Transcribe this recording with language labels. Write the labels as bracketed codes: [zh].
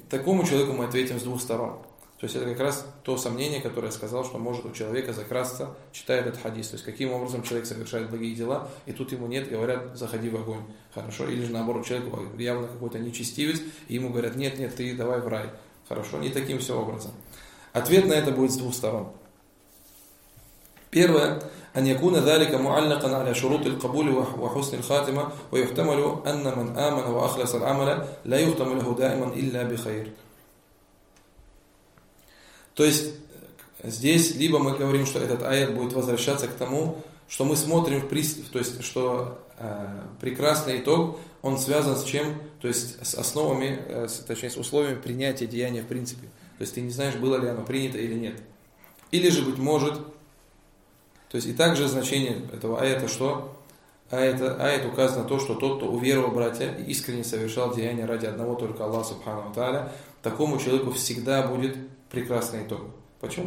[ru] Такому человеку мы ответим с двух сторон. То есть это как раз то сомнение, которое я сказал, что может у человека закрасться, читая этот хадис. То есть каким образом человек совершает благие дела, и тут ему нет, говорят, заходи в огонь. Хорошо. Или же наоборот, человек явно какой-то нечестивец, и ему говорят, нет, нет, ты давай в рай. Хорошо. Не таким все образом. Ответ на это будет с двух сторон. Первое. [ar] أن يكون ذلك معلقا على شروط القبول وحسن الخاتمة ويحتمل أن من آمن وأخلص العمل لا يختم له دائما إلا بخير. [ru] То есть здесь либо мы говорим, что этот аят будет возвращаться к тому, что мы смотрим, то есть что прекрасный итог, он связан с чем? То есть с основами, точнее с условиями принятия деяния в принципе. То есть ты не знаешь, было ли оно принято или нет. Или же, быть может, то есть и также значение этого аята, что аят указывает на то, что тот, кто уверовал, братья, и искренне совершал деяния ради одного только Аллаха Субхану ва Тааля, такому человеку всегда будет прекрасный итог. Почему?